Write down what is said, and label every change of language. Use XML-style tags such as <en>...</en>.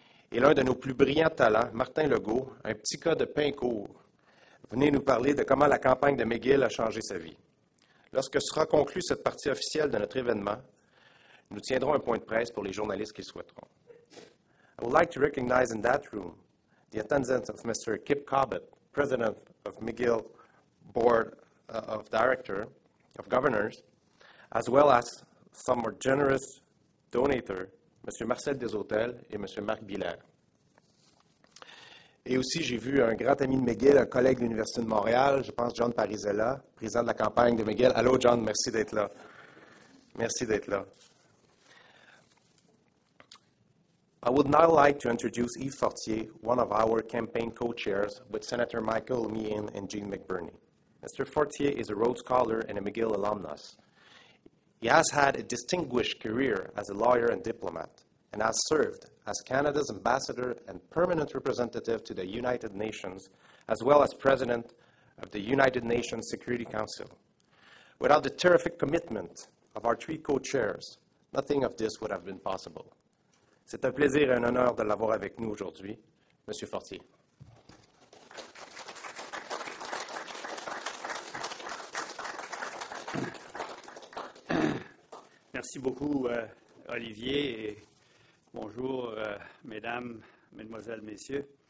<fr>Et l'un de nos plus brillants talents, Martin Legault, un petit cas de Pincourt, venez nous parler de comment la campagne de McGill a changé sa vie. Lorsque sera conclue cette partie officielle de notre événement, nous tiendrons un point de presse pour les journalistes qui le souhaiteront.</fr> <en>I would like to recognize in that room the attendance of Mr. Kip Cobbett, President of McGill Board of Directors, of Governors, as well as some more generous donators, M.</en> <fr>Marcel Desautels et M. Marc Biller. Et aussi, j'ai vu un grand ami de McGill, un collègue de l'Université de Montréal, je pense John Parizella, président de la campagne de McGill. Allô, John, merci d'être là. Merci d'être là.</fr> <en>I would now like to introduce Yves Fortier, one of our campaign co-chairs, with Senator Michael Meehan and Jean McBurney. Mr. Fortier is a Rhodes Scholar and a McGill alumnus. He has had a distinguished career as a lawyer and diplomat, and has served as Canada's ambassador and permanent representative to the United Nations, as well as president of the United Nations Security Council. Without the terrific commitment of our three co-chairs, nothing of this would have been possible.</en> <fr>C'est un plaisir et un honneur de l'avoir avec nous aujourd'hui, Monsieur Fortier. Merci beaucoup, Olivier, et bonjour, mesdames, mesdemoiselles, messieurs.</fr>